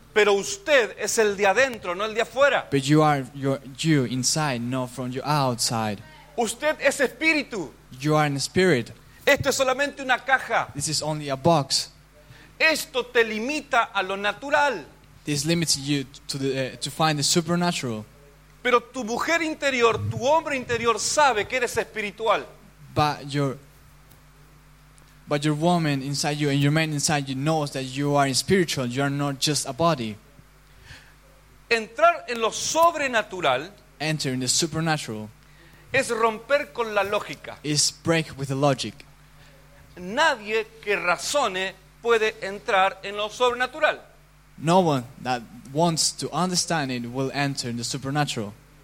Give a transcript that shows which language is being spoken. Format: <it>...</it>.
<es>Pero usted es el de adentro, no el de afuera.</es> <en>But you are you inside, not from your outside.</en> <es>Usted es espíritu.</es> <en>You are in spirit.</en> <es>Esto es solamente una caja.</es> <en>This is only a box.</en> <es>Esto te limita a lo natural.</es> <en>This limits you to find the supernatural.</en> <es>Pero tu mujer interior, tu hombre interior sabe que eres espiritual.</es> <en>But your woman inside you and your man inside you knows that you are spiritual. You are not just a body.</en> <es>Entrar en lo sobrenatural.</es> <en>Enter in the supernatural.</en> <es>Es romper con la lógica.</es> <en>Is break with the logic.</en> <es>Nadie que razone puede entrar en lo sobrenatural.</es> <en>No one that wants to understand it will enter in the supernatural.</en>